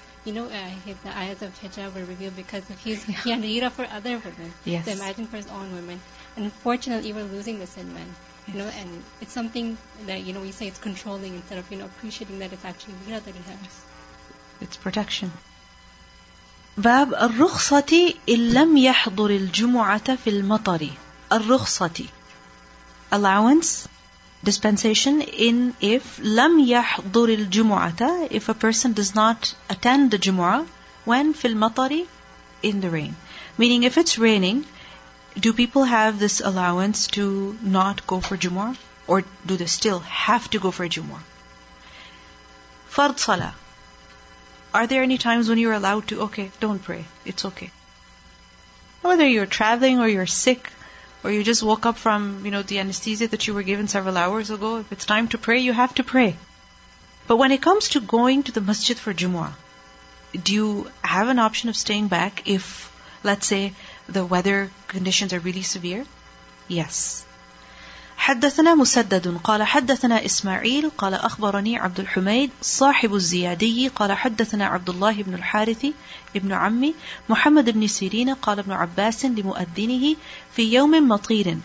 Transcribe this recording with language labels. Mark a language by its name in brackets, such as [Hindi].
[English] You know, the eyes of hijab were revealed because of his, he had ghira for other women. Yes. So imagine for his own women. Unfortunately, we're losing this in men. You know, and it's something that, you know, we say it's controlling instead of, you know, appreciating that it's actually ghira that he has. It's protection. [Arabic] باب الرخصة إن لم يحضر الجمعة في المطر. [English] الرخصة, allowance, dispensation, in if [Arabic] لم يحضر الجمعة, [English] if a person does not attend the جمعة, when [Arabic] في المطر, [English] in the rain. Meaning if it's raining, Do people have this allowance to not go for Jumu'ah? Or do they still have to go for Jumu'ah? Fard Salah. Are there any times when you're allowed to, okay, don't pray, it's okay? Whether you're traveling or you're sick, or you just woke up from, you know, the anesthesia that you were given several hours ago, if it's time to pray, you have to pray. But when it comes to going to the masjid for Jumu'ah, do you have an option of staying back if, let's say, the weather conditions are really severe? Yes. [Arabic] حدثنا مسدد قال حدثنا إسماعيل قال أخبرني عبد الحميد صاحب الزيادي قال حدثنا عبد الله بن الحارث ابن عمي محمد بن سيرين قال ابن عباس لمؤذنه في يوم مطير.